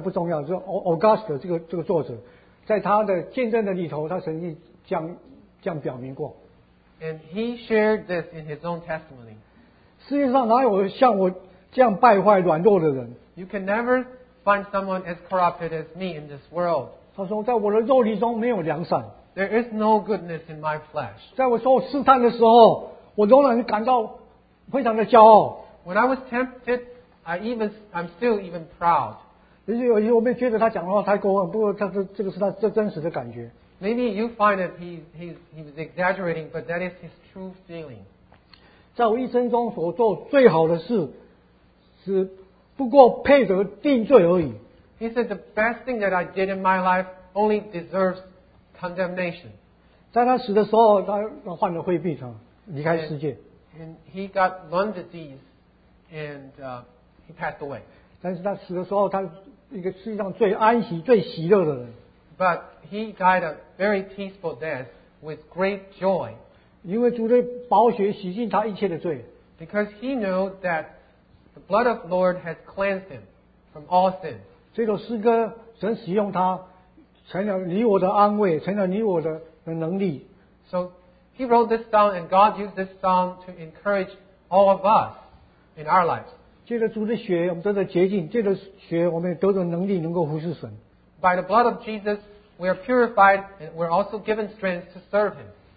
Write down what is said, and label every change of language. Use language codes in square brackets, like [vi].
[zh] 不重要，就 August 这个作者，在他的见证的里头，他曾经这样表明过。 [en] And he shared this in his own testimony. [zh] 世界上哪有像我这样败坏软弱的人？ [en] You can never find someone as corrupted as me in this world. [zh] 他说，在我的肉体中没有良善。 [en] There is no goodness in my flesh. [zh] 在我受试探的时候，我仍然感到非常的骄傲。 [en] When I was tempted, I'm still even proud. [zh] 也许有时候我们觉得他讲的话太过分，不过这个是他这真实的感觉。 [en] Maybe you find that he was exaggerating, but that is his true feeling. [zh] 在我一生中所做最好的事，是不过配得定罪而已。 [en] He said the best thing that I did in my life only deserves condemnation. [zh] 在他死的时候，他患了肺病症。 [en] And he got lung disease and he passed away. [zh] 但是他死的时候，他一个世界上最安息、最喜乐的人。 [en] But he died a very peaceful death with great joy. [zh] 因为主的宝血洗净他一切的罪。 [en] Because he knew that the blood of the Lord has cleansed him from all sin. [zh] 这首诗歌，神使用它，成了你我的安慰，成了你我的能力。 [en] So he wrote this song, and God used this song to encourage all of us in our lives. [zh] 借着主的血，我们得到洁净；借着血，我们得到能力，能够服侍神。 [en] By the blood of Jesus, we are purified, and we are also given strength to serve Him.